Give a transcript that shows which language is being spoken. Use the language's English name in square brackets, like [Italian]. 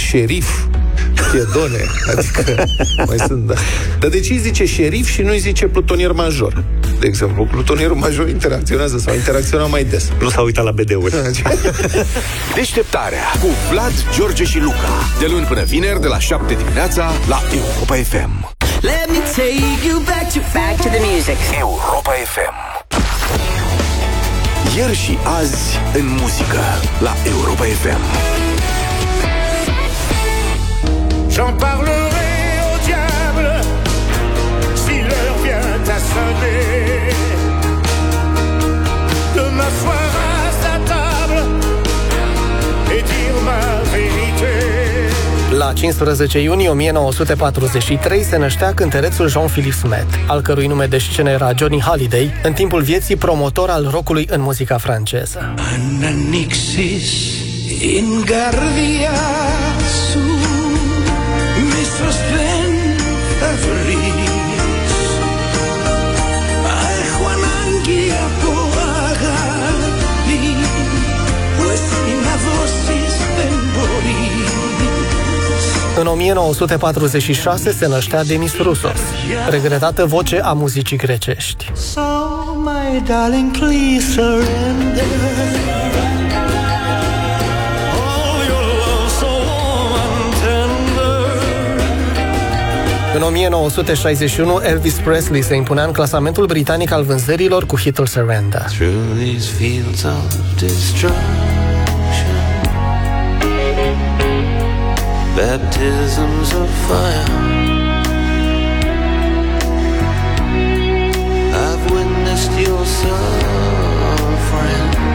[Romanian] Șerif, piedone, adică mai sunt, da. Dar de ce îi zice șerif și nu îi zice plutonier major? De exemplu, plutonierul major interacționează sau interacționa mai des. Nu s-a uitat la BD-uri. Deșteptarea cu Vlad, George și Luca. De luni până vineri, de la 7 dimineața, la Europa FM. [English] Let me take you back to the music. [Romanian] Europa FM. Ieri și azi în muzică la Europa FM. [French] J'en parlerai au diable si l'heure vient à sonner. De m'asseoir à sa table et dire ma vérité. [Romanian] La 15 iunie 1943 se năștea cântărețul Jean-Philippe Smet, al cărui nume de scenă era Johnny Hallyday, în timpul vieții promotor al rock-ului în muzica franceză. Ananixis in gardia su mi sosten favoris ai Juananguia po agadi pues ina vosis tembori. În 1946 se năștea Demis Roussos, regretată voce a muzicii grecești. [English] So, my darling, please surrender. All your love so warm and tender. [Romanian] În 1961 Elvis Presley se impunea în clasamentul britanic al vânzărilor cu hitul Surrender. [English] Through these fields of destruction. Baptisms of fire. I've witnessed your suffering.